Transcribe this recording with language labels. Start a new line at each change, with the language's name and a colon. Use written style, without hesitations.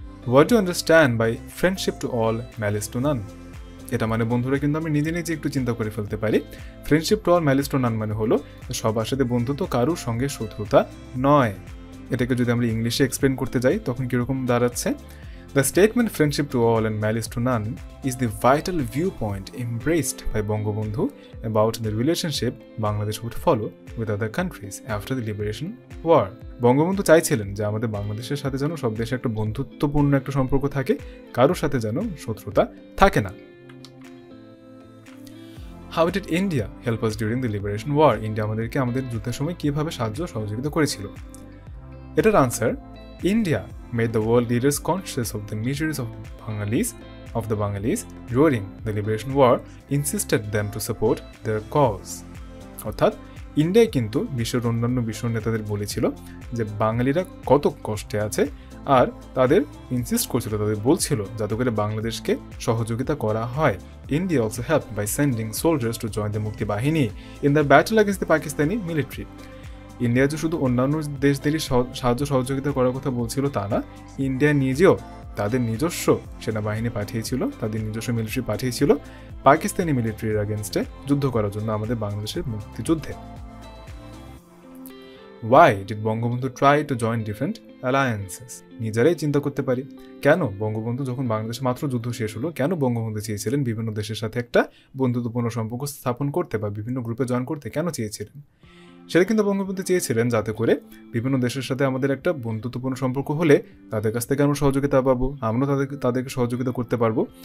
English: What you understand by friendship to all malice to none?
Bangla: এটা মানে বন্ধুরা কিন্তু আমি নিজে নিজে একটু চিন্তা করে ফেলতে পারি।
English: friendship to all malice to none
Bangla: মানে হলো সবার সাথে বন্ধুত্ব, কারোর সঙ্গে শত্রুতা নয়। এটাকে যদি আমরা ইংলিশে এক্সপ্লেন করতে যাই তখন কীরকম দাঁড়াচ্ছে?
English: The statement friendship to all and malice to none is the vital viewpoint embraced by Bangabandhu about the relationship Bangladesh would follow with other countries after the liberation war.
Bangla: Bangabandhu চাইছিলেন যে আমাদের বাংলাদেশের সাথে যেন সব দেশে একটা বন্ধুত্বপূর্ণ একটা সম্পর্ক থাকে, কারোর সাথে যেন শত্রুতা থাকে না।
English: How did India help us during the liberation war?
Bangla: India আমাদেরকে আমাদের যুদ্ধের সময় কিভাবে সাহায্য সহযোগিতা করেছিল?
English: এটার answer, India made the world leaders conscious of the miseries of Bengalis, during the liberation war, insisted them to support their cause.
Bangla: অর্থাৎ ইন্ডিয়া কিন্তু বিশ্বের অন্যান্য বিশ্ব নেতাদের বলেছিল যে বাঙালিরা কত কষ্টে আছে, আর তাদের ইনসিস্ট করছিল, তাদের বলছিল যাতে করে বাংলাদেশকে সহযোগিতা করা হয়।
English: India also help by sending soldiers to join the Mukti Bahini in the battle against the Pakistani military.
Bangla: India যে শুধু অন্যান্য দেশদেরই সাহায্য সহযোগিতা করার কথা বলছিল তা না, ইন্ডিয়া নিজেও তাদের নিজস্ব সেনাবাহিনী পাঠিয়েছিল, তাদের নিজস্ব মিলিটারি পাঠিয়েছিল পাকিস্তানি মিলিটারির অ্যাগেনস্টে যুদ্ধ করার জন্য আমাদের বাংলাদেশের মুক্তিযুদ্ধে।
English: Why did Bangabandhu try to join different alliances?
Bangla: নিজেরাই চিন্তা করতে পারি, কেন বঙ্গবন্ধু যখন বাংলাদেশে মাত্র যুদ্ধ শেষ হলো, কেন বঙ্গবন্ধু চেয়েছিলেন বিভিন্ন দেশের সাথে একটা বন্ধুত্বপূর্ণ সম্পর্ক স্থাপন করতে বা বিভিন্ন গ্রুপে জয়েন করতে কেন চেয়েছিলেন? সেটা কিন্তু বঙ্গবন্ধু চেয়েছিলেন যাতে করে বিভিন্ন দেশের সাথে আমাদের একটা বন্ধুত্বপূর্ণ সম্পর্ক হলে তাদের কাছ থেকে আমরা সহযোগিতা পাবো, আমরাও তাদেরকে সহযোগিতা করতে পারবো।